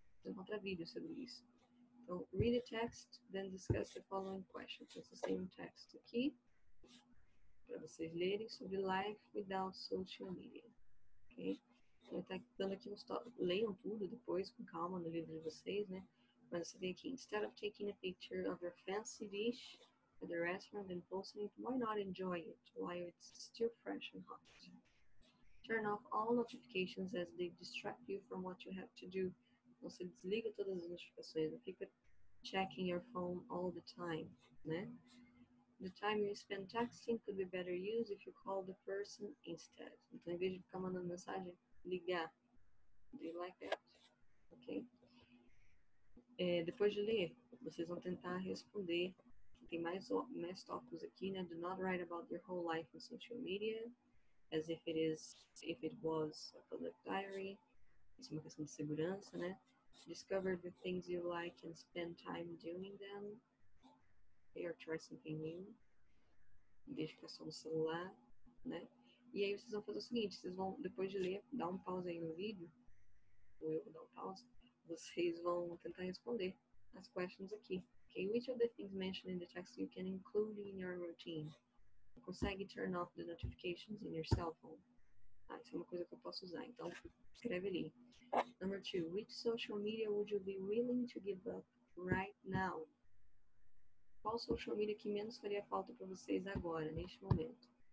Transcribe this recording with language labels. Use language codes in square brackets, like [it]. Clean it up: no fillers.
[pt] Vou encontrar vídeo sobre isso. Então, [en] read a text, then discuss the following questions, [pt] então, vocês têm um texto aqui, para vocês lerem sobre [en] life without social media, [pt] ok? Ele está dando aqui uns tópicos. Leiam tudo depois, com calma, no livro de vocês, né? [en] Mas você vê aqui, instead of taking a picture of your fancy dish at the restaurant and posting it, why not enjoy it while it's still fresh and hot? Turn off all notifications as they distract you from what you have to do. [pt] Você desliga todas as notificações. Não fica [en] checking your phone all the time, [pt] né? [en] The time you spend texting could be better used if you call the person instead. [pt] Então, em vez de ficar mandando mensagem, ligar. [en] Do you like that? [pt] Ok? Depois de ler, vocês vão tentar responder. Tem mais tópicos aqui, né? [en] Do not write about your whole life on social media as if it is, if it was a public diary. [pt] Isso é uma questão de segurança, né? [en] Discover the things you like and spend time doing them. [pt] Okay, or try something new. Deixa que é só no celular, né? E aí vocês vão fazer o seguinte, vocês vão, depois de ler, dar um pause aí no vídeo, ou eu vou dar um pause, vocês vão tentar responder as questions aqui. [en] Okay, which of the things mentioned in the text you can include in your routine? Consegue turn off the notifications in your cell phone? [pt] Ah, isso é uma coisa que eu posso usar, então escreve ali. [en] Number 2, which social media would you be willing to give up right now? [pt] Qual social media que menos faria falta para vocês agora, neste momento?